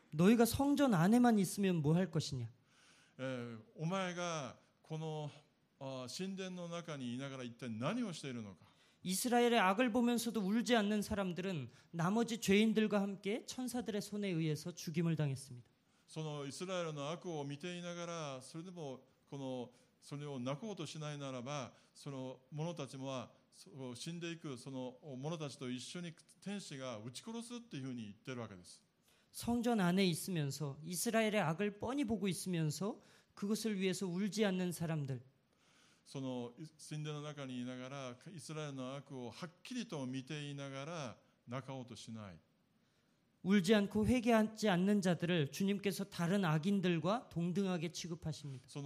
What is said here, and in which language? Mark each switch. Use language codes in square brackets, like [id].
[ko] 너희가 성전 안에만 있으면 뭐 할 것이냐? [ja] お前がこの神殿の中にいながら一体何をしているのか。 [ko] 이스라엘의 악을 보면서도 울지 않는 사람들은 나머지 죄인들과 함께 천사들의 손에 의해서 죽임을 당했습니다. [ja] その、イスラエルの悪を見ていながら、それでもこのそれを泣こうとしないならば、その者たちも死んでいく、その者たちと一緒に天使が打ち殺すっていうふうに言ってるわけです。 [ko] 성전 안에 있으면서 이스라엘의 악을 뻔히 보고 있으면서 그것을 위해서 울지 않는 사람들. [ja] その神殿の中にいながら、イスラエルの悪をはっきりと見ていながら泣こうとしない。 [ko] 울지 않고 회개하지 않는 자들을 주님께서 다른 악인들과 동등하게 취급하십니다.